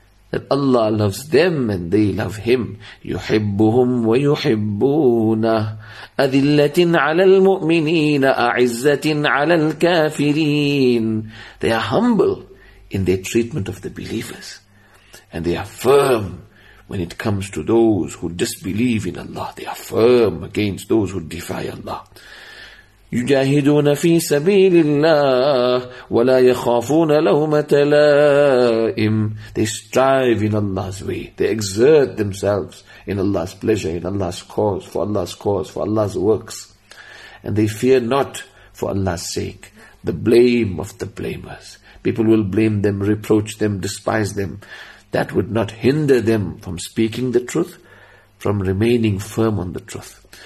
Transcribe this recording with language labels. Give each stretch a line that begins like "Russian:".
English: That Allah loves them and they love Him.
Arabic: يُحِبُّهُمْ وَيُحِبُّونَهُ أَذِلَّةٍ عَلَى الْمُؤْمِنِينَ أَعِزَّةٍ عَلَى الْكَافِرِينَ,
English: they are humble in their treatment of the believers. And they are firm when it comes to those who disbelieve in Allah. They are firm against those who defy Allah.
Arabic: يُجَاهِدُونَ فِي سَبِيلِ اللَّهِ وَلَا يَخَافُونَ لَهُمَةَ لَائِمٍ,
English: they strive in Allah's way. They exert themselves in Allah's pleasure, in Allah's cause, for Allah's cause, for Allah's works. And they fear not for Allah's sake the blame of the blamers. People will blame them, reproach them, despise them. That would not hinder them from speaking the truth, from remaining firm on the truth.